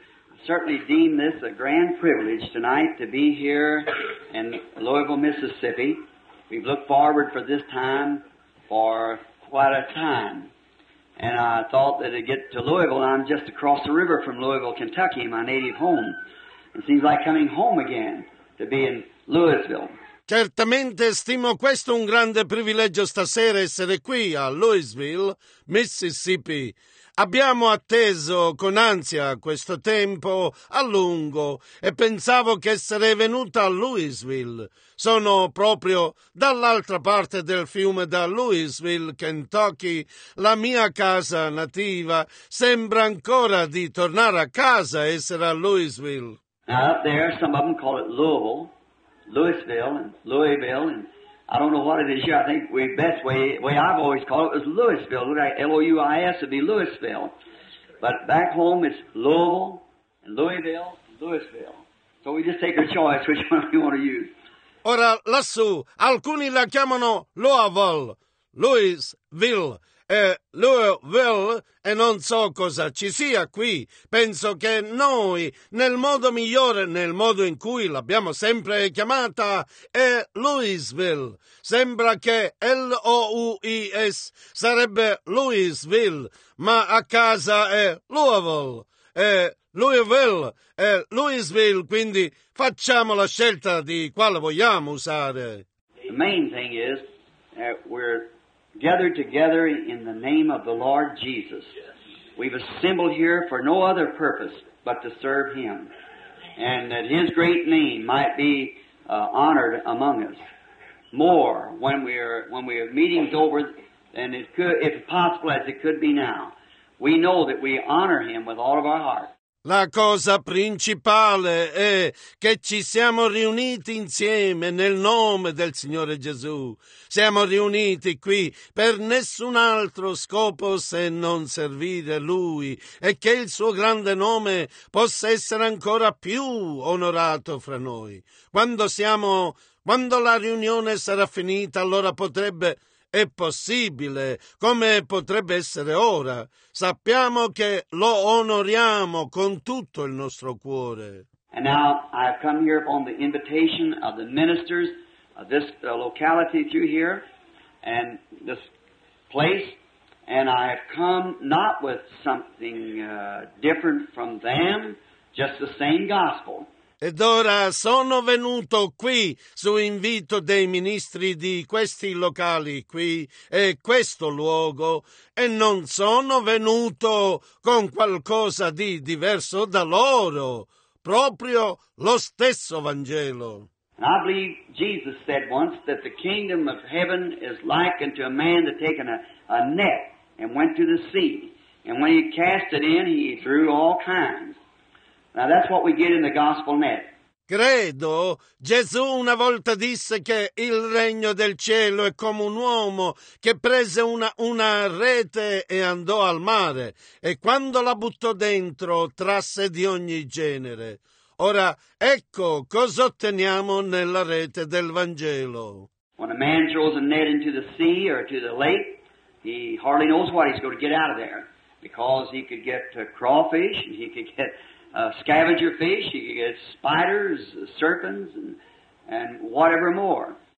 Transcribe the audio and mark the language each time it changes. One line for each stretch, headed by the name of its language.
English: I certainly deem this a grand privilege tonight to be here in Louisville, Mississippi. We've looked forward for this time for quite a time. And I thought that to get to Louisville, I'm just across the river from Louisville, Kentucky, my native home. It seems like coming home again to be in Louisville.
Italian: Certamente stimo questo un grande privilegio stasera essere qui a Louisville, Mississippi. Abbiamo atteso con ansia questo tempo a lungo e pensavo che sarei venuta a Louisville. Sono proprio dall'altra parte del fiume da Louisville, Kentucky. La mia casa nativa sembra ancora di tornare a casa e essere a Louisville.
English: Now up there, some of them call it Louisville. Louisville and Louisville, and I don't know what it is here. I think the best way I've always called it was Louisville. Look like L-O-U-I-S would be Louisville. But back home it's Louisville and Louisville and Louisville. So we just take a choice which one we want to use.
Italian: Ora lassù, alcuni la chiamano Louisville, Louisville. Louisville, e non so cosa ci sia qui. Penso che noi, nel modo migliore, nel modo in cui l'abbiamo sempre chiamata, è Louisville. Sembra che L-O-U-I-S sarebbe Louisville, ma a casa è Louisville. Louisville è Louisville, quindi facciamo la scelta di quale vogliamo usare.
English: The main thing is that we're gathered together in the name of the Lord Jesus. We've assembled here for no other purpose but to serve Him, and that His great name might be honored among us more when we are meeting over than it could, if possible, as it could be now. We know that we honor Him with all of our heart.
Italian: La cosa principale è che ci siamo riuniti insieme nel nome del Signore Gesù. Siamo riuniti qui per nessun altro scopo se non servire Lui e che il suo grande nome possa essere ancora più onorato fra noi. Quando la riunione sarà finita, allora potrebbe... È possibile, come potrebbe essere ora. Sappiamo che lo onoriamo con tutto il nostro cuore.
English: And now I have come here upon the invitation of the ministers of this locality through here and this place, and I have come not with something different from them, just the same gospel.
Italian: Ed ora sono venuto qui su invito dei ministri di questi locali qui e questo luogo e non sono venuto con qualcosa di diverso da loro, proprio lo stesso Vangelo.
English: And I believe Jesus said once that the kingdom of heaven is likened to a man that taken a net and went to the sea, and when he cast it in, he threw all kinds. Now that's what we get in the gospel net.
Italian: Credo Gesù una volta disse che il regno del cielo è come un uomo che prese una rete e andò al mare e quando la buttò dentro trasse di ogni genere. Ora ecco cosa otteniamo nella rete del Vangelo.
English: When a man throws a net into the sea or to the lake, he hardly knows what he's going to get out of there, because he could get crawfish and he could get scavenger fish, you get spiders, serpents, and whatever more.